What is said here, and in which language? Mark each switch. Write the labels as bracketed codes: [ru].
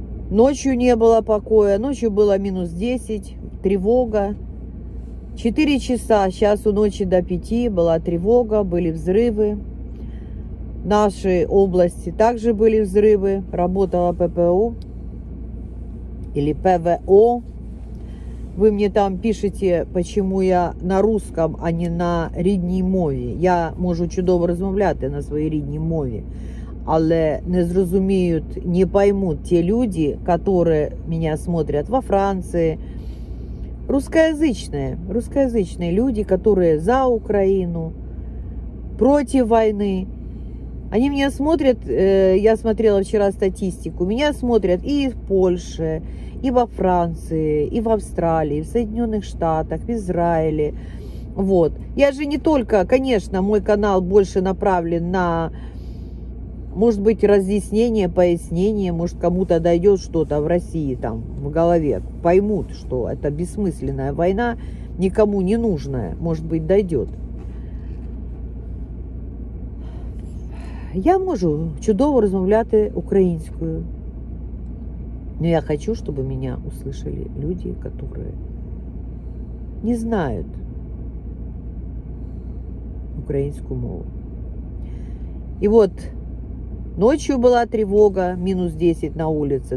[ru] Ночью не было покоя. Ночью было минус 10, тревога. 4 часа, часу ночи до 5, была тревога, были взрывы. В нашей области также были взрывы. Работала ППО или ПВО. Вы мне там пишете, почему я на русском, а не на [uk] рідній мові. Я можу чудово розмовляти на своїй рідній мові, але не зрозуміють, [ru] не поймуть [uk] ті люди, [ru] которые меня смотрят во Франции. Русскоязычные люди, которые за Украину, против войны. Они меня смотрят, я смотрела вчера статистику, меня смотрят и в Польше, и во Франции, и в Австралии, и в Соединенных Штатах, в Израиле. Вот. Я же не только, конечно, мой канал больше направлен на, может быть, разъяснение, пояснение, может, кому-то дойдет что-то в России там в голове, поймут, что это бессмысленная война, никому не нужная, может быть, дойдет. [uk] Я можу чудово розмовляти українською. [ru] Но я хочу, чтобы меня услышали люди, которые не знают [uk] українську мову. [ru] И вот ночью была тревога, минус 10 на улице.